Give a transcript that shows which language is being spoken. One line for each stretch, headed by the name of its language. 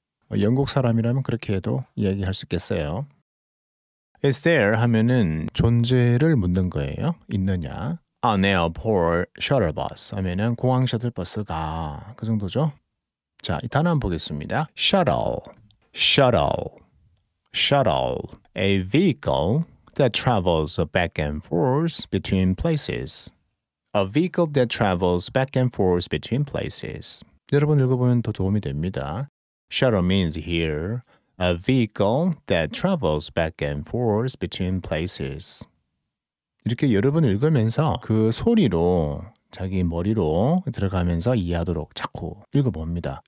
Korean: 영국 사람이라면 그렇게 해도 이야기할 수 있겠어요.
English: Is there
Korean: 하면은 존재를 묻는 거예요. 있느냐?
English: An airport shuttle bus
Korean: 하면은 공항 셔틀버스가 그 정도죠. 자, 이 단어 한번 보겠습니다.
English: Shuttle, shuttle, shuttle. A vehicle that travels back and forth between places. A vehicle that travels back and forth between places.
Korean: 여러분 읽어보면 더 도움이 됩니다.
English: Shuttle means here a vehicle that travels back and forth between places.
Korean: 이렇게 여러분 읽으면서 그 소리로 자기 머리로 들어가면서 이해하도록 자꾸 읽어봅니다.